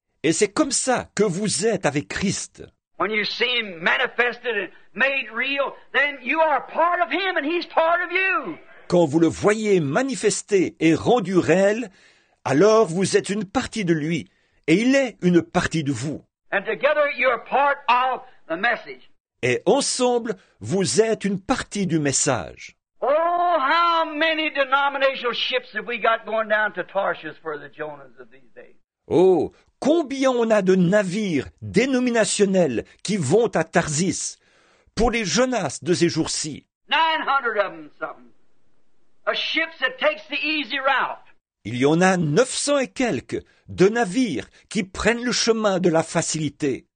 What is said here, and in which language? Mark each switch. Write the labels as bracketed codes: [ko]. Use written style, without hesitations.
[fr] Et c'est comme ça que vous êtes avec Christ. [en] When you see him manifested and made real, then you are part of him and he's part of you. [fr] Quand vous le voyez manifesté et rendu réel, alors vous êtes une partie de lui, et il est une partie de vous. [en] And together you're part of the message. [fr] Et ensemble, vous êtes une partie du message. [en] Oh, how many denominational ships have we got going down to Tarshish for the Jonas of these days? [fr] Oh, combien on a de navires dénominationnels qui vont à Tarsis pour les Jonas de ces jours-ci? [en] 900 of them, something. A ship that takes the easy route. [fr] Il y en a 900 et quelques de navires qui prennent le chemin de la facilité.